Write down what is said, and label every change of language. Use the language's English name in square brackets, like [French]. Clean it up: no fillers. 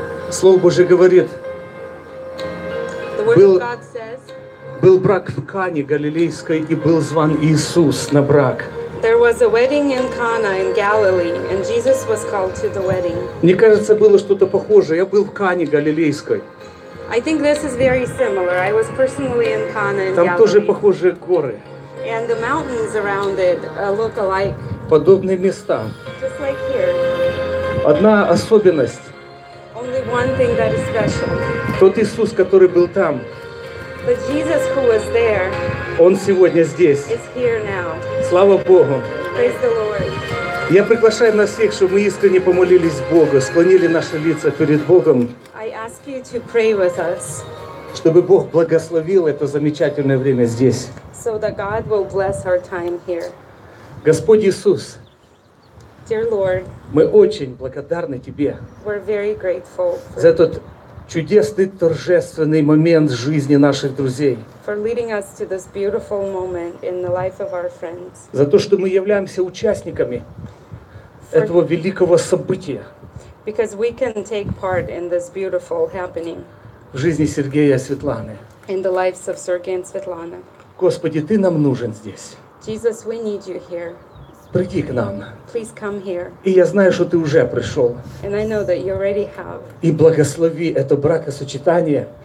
[Russian] Слово Божье говорит, был брак в Кане Галилейской, и был зван Иисус на брак. [English] There was a wedding in Cana in Galilee, and Jesus was called to the wedding. [Russian] Мне кажется, было что-то похожее. Я был в Кане Галилейской. [English] I think this is very similar. I was personally in Cana in Galilee. [Russian] Там тоже похожие горы. [English] And the mountains around it look alike. [Russian] Подобные места. [English] Just like here. [Russian] Одна особенность. [English] One thing that is special. [Russian] Тот Иисус, который был там, [English] but Jesus, who was there, [Russian] Он сегодня здесь. [English] Is here now. [Russian] Слава Богу! [English] Praise the Lord. [Russian] Я приглашаю нас всех, чтобы мы искренне помолились Богу, склонили наши лица перед Богом, [English] I ask you to pray with us, [Russian] чтобы Бог благословил это замечательное время здесь. [English] So that God will bless our time here. [Russian] Господь Иисус, [English] Dear Lord, [Russian] мы очень благодарны Тебе [English] we're very grateful [Russian] за этот чудесный, торжественный момент жизни наших друзей. [English] For leading us to this beautiful moment in the life of our friends. [Russian] За то, что мы являемся участниками этого великого события. [English] Because we can take part in this beautiful happening. [Russian] В жизни Сергея и Светланы. [English] In the lives of Sergey and Svetlana. [Russian] Господи, Ты нам нужен здесь. [English] Jesus, we need You here. [Russian] Приди к нам. [English] Please come here. [Russian] И я знаю, что Ты уже пришел. [English] And I know that you already have. [Russian] И благослови это бракосочетание.